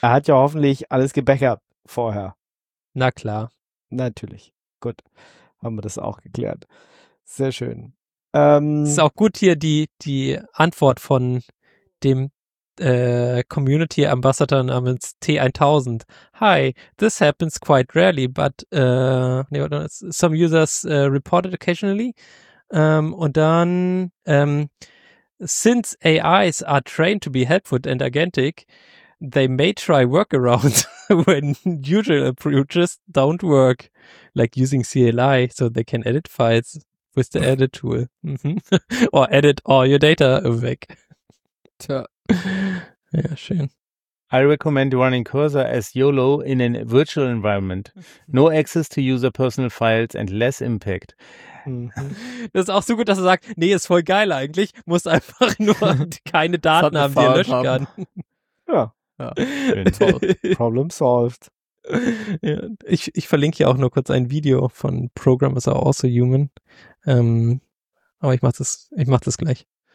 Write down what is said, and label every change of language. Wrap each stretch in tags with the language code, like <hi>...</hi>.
<de>Er hat ja hoffentlich alles gebackert vorher. Na klar. Natürlich. Gut. Haben wir das auch geklärt. Sehr schön. Ist auch gut hier die Antwort von dem Community Ambassador namens T1000.</de> <en>Hi, this happens quite rarely, but some users reported occasionally.</en> <de>Und dann,</de> <en>since AIs are trained to be helpful and agentic, they may try workarounds when usual approaches don't work, like using CLI so they can edit files with the edit tool or edit all your data weg.</en> <de>Tja. Ja, schön.</de> <en>I recommend running Cursor as YOLO in a virtual environment. No access to user personal files and less impact.</en> <de>Das ist auch so gut, dass er sagt, nee, ist voll geil eigentlich. Muss einfach nur keine Daten haben, die er löschen kann. Ja. Ja.</de> <en>Problem solved.</en> <de>Ja, ich verlinke hier auch nur kurz ein Video von Programmers Are Also Human. Aber ich mach das gleich.</de>